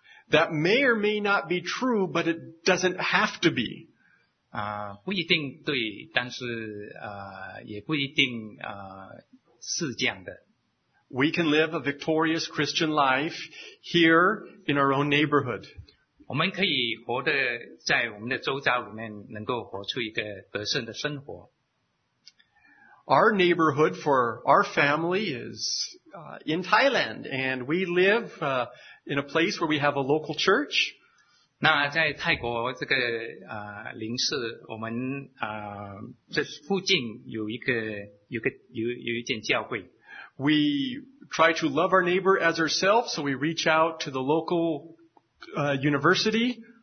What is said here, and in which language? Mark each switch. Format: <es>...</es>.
<en>That may or may not be true, but it doesn't have to be.</en> <zh>不一定对，但是也不一定是这样的。</zh> <en>We can live a victorious Christian life here in our own neighborhood.</en> <zh>我们可以活得在我们的周遭里面，能够活出一个得胜的生活。</zh> <en>Our neighborhood for our family is in Thailand, and we live in a place where we have a local church.</en> <zh>那在泰国这个邻舍，我们这附近有一间教会。</zh> <en>We try to love our neighbor as ourselves, so we reach out to the local university.</en>